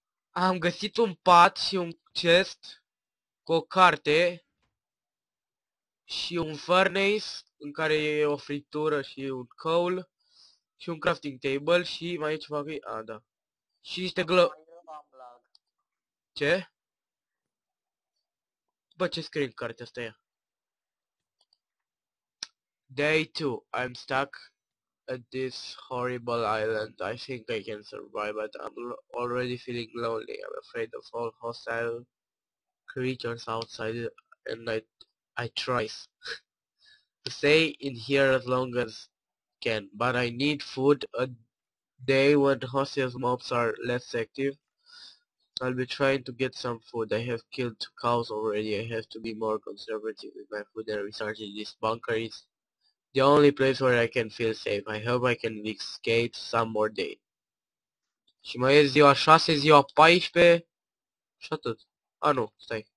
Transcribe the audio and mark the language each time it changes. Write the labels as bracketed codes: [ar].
[ro] Am găsit un pat și un chest cu o carte și un furnace în care e o friptură și un coal și un crafting table și mai e ceva aici? Ah, da. Și niște glow... Ce? Bă, ce scrie în cartea asta e? [en] Day 2. I'm stuck at this horrible island. I think I can survive, but I'm already feeling lonely. I'm afraid of all hostile creatures outside, and I try to stay in here as long as can. But I need food. A day when hostile mobs are less active, I'll be trying to get some food. I have killed cows already. I have to be more conservative with my food and resources. This bunker is the only place where I can feel safe. I hope I can escape some more day. [ro] Și mai e ziua 6, ziua 14 și atât. A, nu, stai.